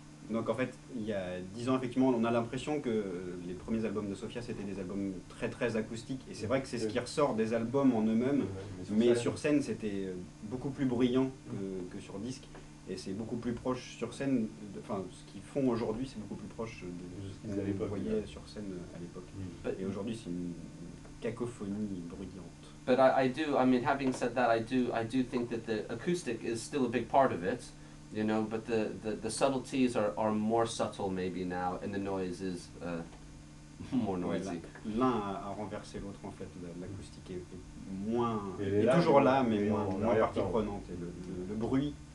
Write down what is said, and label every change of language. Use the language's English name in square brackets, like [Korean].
[French] Donc en fait, il y a 10 ans effectivement, on a l'impression que les premiers albums de Sophia c'était des albums très très acoustiques. Et c'est vrai que c'est ce qui ressort des albums en eux-mêmes. Mais sur scène, c'était beaucoup plus brillant que sur disque. Et c'est beaucoup plus proche sur scène, enfin ce qu'ils font aujourd'hui, c'est beaucoup plus proche de ce qu'ils voyaient sur scène à l'époque. Mm. Et aujourd'hui, c'est une cacophonie bruyante. [English] But I do, I mean, having said that, I do think that the acoustic is still a big part of it, you know, but the subtleties are more subtle maybe now, and the noise is more noisy. [French] Ouais, l'un a renversé l'autre en fait, l'acoustique est moins, est là, toujours là, mais moins partie prenante, et le bruit.